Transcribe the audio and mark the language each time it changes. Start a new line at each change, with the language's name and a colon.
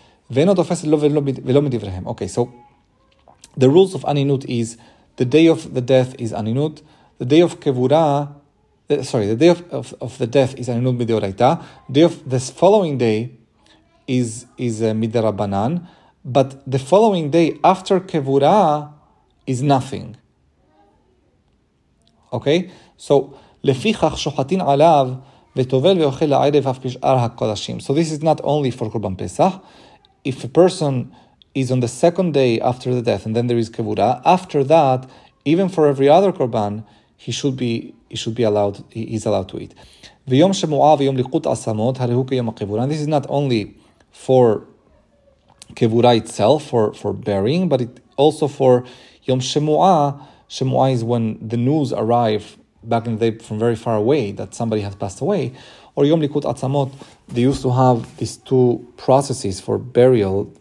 Hebrew: V'eno tofeset lo midivrehem.
English: Okay, so the rules of aninut is the day of the death is aninut. The day of kevura, the day of the death is aninut midioraita. Day of this following day is midirabanan. But the following day after Kevura is nothing. Okay?
Hebrew: So, לפיכך שוחטין עליו וטובל ואוכל לערב אף בשאר הקודשים.
English: So this is not only for Korban Pesach. If a person is on the second day after the death and then there is Kevura, after that, even for every other Korban, he's allowed to eat.
Hebrew: ויום שמועה ויום לקוט עשמות, הרי הוא כיום הקבורה.
English: This is not only for Kevura itself for burying, but it also for Yom Shemua. Shemua is when the news arrive back in the day from very far away that somebody has passed away. Or Yom Likut Atzamot, they used to have these two processes for burial.